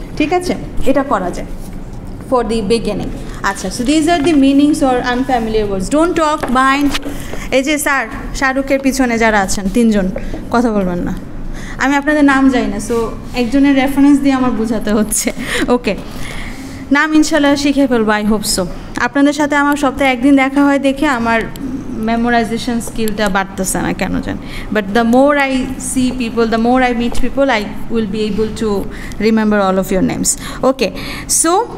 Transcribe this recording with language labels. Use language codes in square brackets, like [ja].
[bn] ঠিক আছে এটা করা যায় [en] for the beginning. আচ্ছা, so these are the meanings or unfamiliar words. Don't talk, mind. [bn] এই যে স্যার শাহরুখের পিছনে যারা আছেন তিনজন কথা বলবেন না আমি আপনাদের নাম জানি না সো একজনের রেফারেন্স দিয়ে আমার বোঝাতে হচ্ছে ওকে নাম ইনশাল্লাহ শিখে ফেলবো [en] I hope so [bn] আপনাদের সাথে আমার সপ্তাহে একদিন দেখা হয় দেখে আমার মেমোরাইজেশন স্কিলটা বাড়তেছে না কেন জান [en] but the more I see people the more I meet people I will be able to remember all of your names okay so